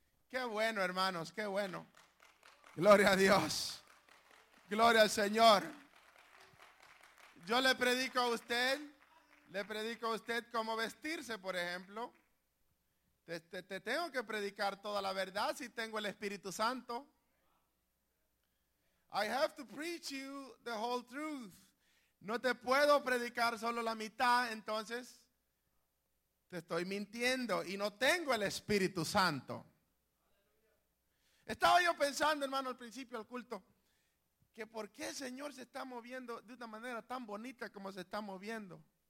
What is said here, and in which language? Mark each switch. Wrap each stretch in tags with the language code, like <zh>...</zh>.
<es>Qué bueno, hermanos, qué bueno. Gloria a Dios. Gloria al Señor. Yo le predico a usted. Le predico a usted cómo vestirse, por ejemplo. Te tengo que predicar toda la verdad si tengo el Espíritu Santo.</es> <en>I have to preach you the whole truth.</en> <es>No te puedo predicar solo la mitad, entonces te estoy mintiendo y no tengo el Espíritu Santo. Estaba yo pensando, hermano, al principio del culto, que por qué el Señor se está moviendo de una manera tan bonita como se está moviendo.</es>